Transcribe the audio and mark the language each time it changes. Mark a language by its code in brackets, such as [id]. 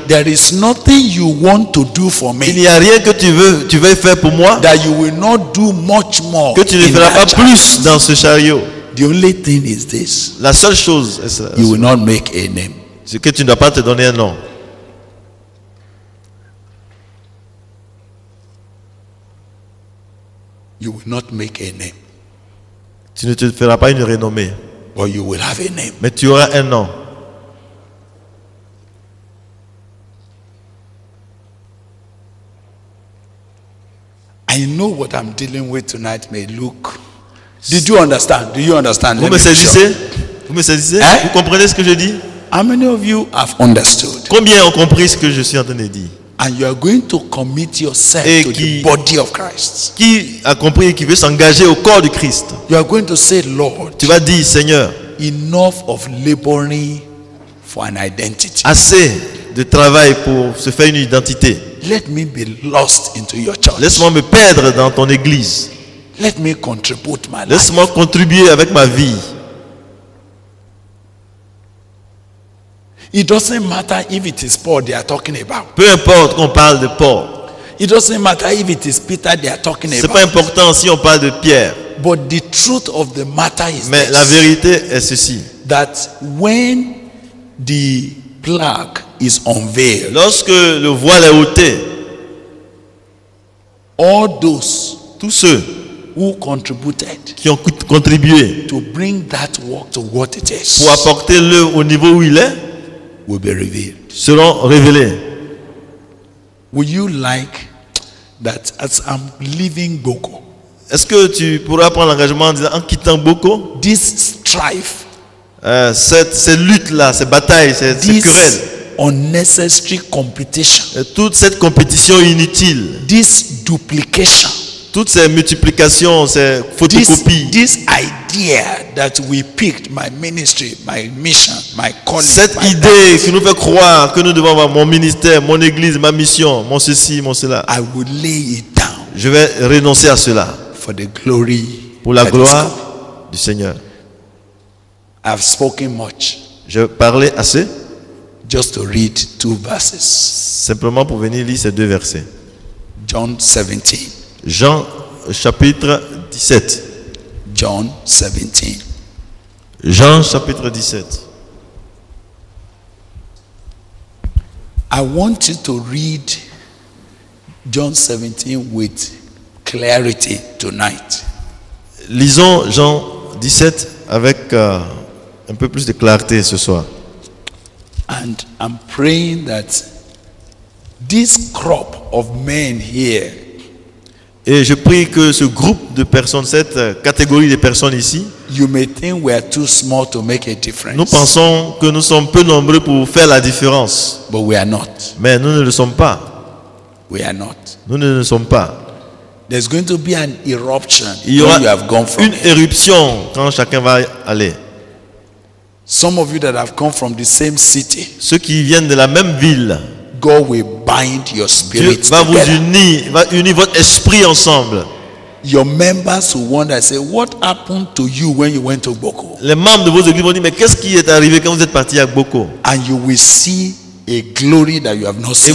[en] There is nothing you want to do for me. [fr] Il n'y a rien que tu veux faire pour moi. [en] That you will not do much more. [fr] Que tu ne feras pas plus dans ce chariot. [en] The only thing is this. [fr] La seule chose, est ça, [en] you will not make a name. [fr] C'est que tu ne dois pas te donner un nom. [en] You will not make a name. [fr] Tu ne te feras pas une renommée. [en] But you will have a name. [fr] Mais tu auras un nom. [en] I know what I'm dealing with tonight may look. Did you understand? Do you understand? [fr] Vous me saisissez? Vous me saisissez? Hein? Vous comprenez ce que je dis? [en] How many of you have understood? [fr] Combien ont compris ce que je suis en train de dire? [en] And you are going to commit yourself to the body of Christ. [fr] Qui a compris et qui veut s'engager au corps du Christ? [en] You are going to say, Lord, [fr] tu vas dire, Seigneur, [en] enough of laboring for an identity. [fr] Assez de travail pour se faire une identité. [en] Let me be lost into your church. [fr] Laisse-moi me perdre dans ton église. [en] Let me contribute my life. [fr] Laisse-moi contribuer avec ma vie. [en] It doesn't matter if it is Paul they are talking about. [fr] Peu importe qu'on parle de Paul. [en] It doesn't matter if it is Peter they are talking about. [fr] C'est pas important si on parle de Pierre. [en] But the truth of the matter is, [fr] mais [en] this, [fr] la vérité est ceci. [en] That when the plaque is unveiled, [fr] lorsque le voile est ôté, [en] all those, [fr] tous ceux [en] who contributed, [fr] qui ont contribué, [en] to bring that work to what it is, [fr] pour apporter le au niveau où il est, [en] will be revealed. [fr] Seront révélés. [en] Would you like that as I'm leaving Boko? [fr] Est-ce que tu pourras prendre l'engagement en disant en quittant Boko? [en] This strife, [fr] cette lutte là, cette bataille, cette querelle, [en] unnecessary competition, [fr] toute cette compétition inutile, [en] this duplication, [fr] toutes ces multiplications, ces photocopies, [en] this idea that we picked my ministry, my mission, my calling, [fr] cette idée qui nous fait croire que nous devons avoir mon ministère, mon église, ma mission, mon ceci, mon cela, [en] I will lay it down, [fr] je vais renoncer à cela, [en] for the glory, [fr] pour la gloire du Seigneur. [en] I've spoken much, [fr] je parlais assez, [en] just to read two verses, [fr] simplement pour venir lire ces deux versets. [en] John 17 [fr] chapitre 17. [en] John 17. [fr] Jean chapitre 17. [en] I want you to read John 17 with clarity tonight. [fr] Lisons Jean 17 avec un peu plus de clarté ce soir. [en] And I'm praying that this crop of men here, [fr] et je prie que ce groupe de personnes, cette catégorie de personnes ici, [en] you may think we are too small to make a difference. [fr] Nous pensons que nous sommes peu nombreux pour faire la différence. [en] But we are not. [fr] Mais nous ne le sommes pas. [en] We are not. [fr] Nous ne le sommes pas. [en] There's going to be an eruption. [fr] Il y aura [en] you have gone from [fr] une éruption quand chacun va aller. [en] Some of you that have come from the same city, [fr] ceux qui viennent de la même ville, [en] God will bind your spirit together. [fr] Dieu va vous unir, va unir votre esprit ensemble. [en] your members will wonder, say, what happened to you when you went to Boko? [fr] Les membres de vos églises vont dire, mais qu'est-ce qui est arrivé quand vous êtes parti à Boko? [en] And you will see a glory that you have not seen.